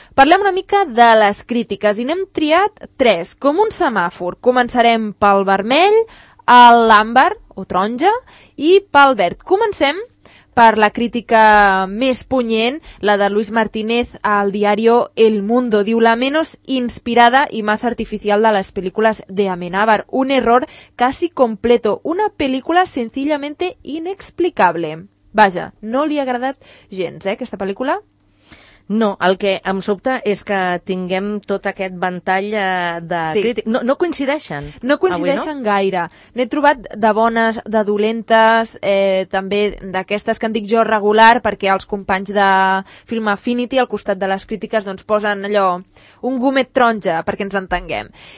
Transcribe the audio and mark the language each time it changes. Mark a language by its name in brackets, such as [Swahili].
[Catalan] Parlem una mica de les crítiques i n'hem triat 3, com un semàfor. Començarem pel vermell, l'àmbar o taronja i pel verd. Comencem per la crítica més punyent, la de Luis Martínez al diari El Mundo. Diu: [Spanish] la menos inspirada y más artificial de las películas de Amenábar. Un error casi completo. Una película sencillamente inexplicable. [Catalan] Vaja, no li ha agradat gens, aquesta pel·lícula. No, el que em sobta és que tinguem tot aquest ventall de crítics. No, no coincideixen. No coincideixen avui, no? Gaire. N'he trobat de bones, de dolentes, també d'aquestes que en dic jo regular, perquè els companys de Film Affinity, al costat de les crítiques, doncs posen allò, un gomet taronja, perquè ens entenguem.